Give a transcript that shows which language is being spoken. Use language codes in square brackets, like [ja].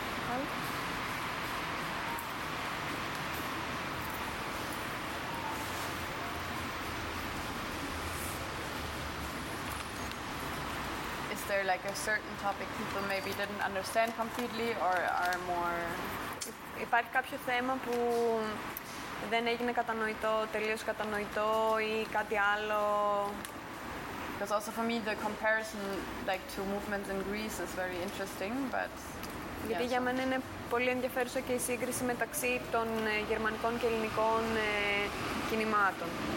[en] Well, is there like a certain topic people maybe didn't understand completely or are more? [el] Υπάρχει κάποιο θέμα που δεν έγινε κατανοητό, τελείως κατανοητό ή κάτι άλλο? [en] Because also for me the comparison like to movements in Greece is very interesting, but [el] γιατί για μένα είναι πολύ ενδιαφέρουσα και η σύγκριση μεταξύ των γερμανικών και ελληνικών κινημάτων.